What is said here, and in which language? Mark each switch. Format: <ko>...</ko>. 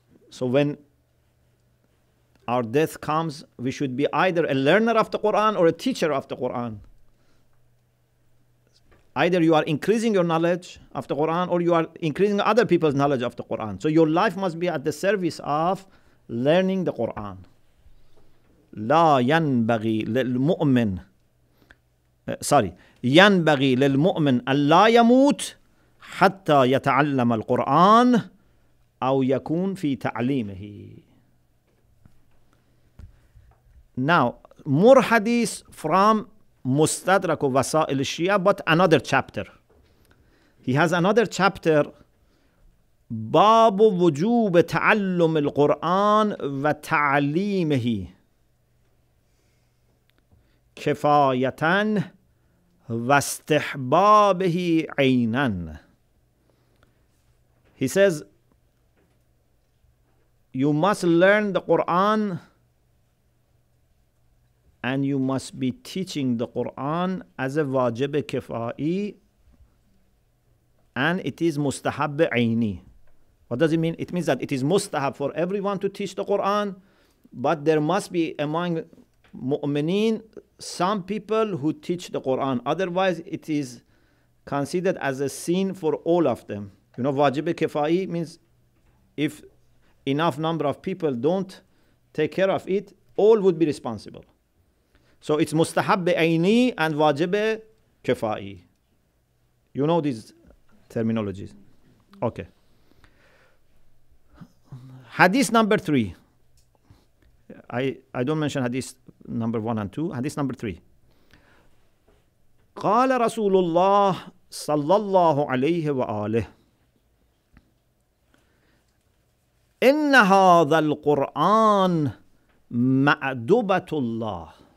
<en>So when our death comes, we should be either a learner of the Quran or a teacher of the Quran. either you are increasing your knowledge of the Quran or you are increasing other people's knowledge of the Quran. So your life must be at the service of learning the Quran.</en> <ar>لا ينبغي للمؤمن ينبغي للمؤمن ألا يموت حتى يتعلم القرآن أو يكون في تعليمه.</ar> <en>Now, more hadith from Mustadrak of Wasail al-Shia, but another chapter. He has another chapter,</en> <ar>باب وجوب تعلم القرآن وتعليمه كفايةً وَاسْتِحْبَابِهِ عَيْنًا.</ar> <en>He says, you must learn the Quran and you must be teaching the Quran as a wajib kifai and it is mustahab عَيْنِ. What does it mean? It means that it is mustahab for everyone to teach the Quran, but there must be among mu'mineen some people who teach the Quran. Otherwise, it is considered as a sin for all of them. You know, wajib kifai means if enough number of people don't take care of it, all would be responsible. So it's mustahab aini and wajib kifai. You know these terminologies. Okay. Hadith number three. I don't mention hadith number one and two. Hadith number three.</en> <ar>قال رسول الله صلى الله عليه وآله إن هذا القرآن مأدبة الله.</ar>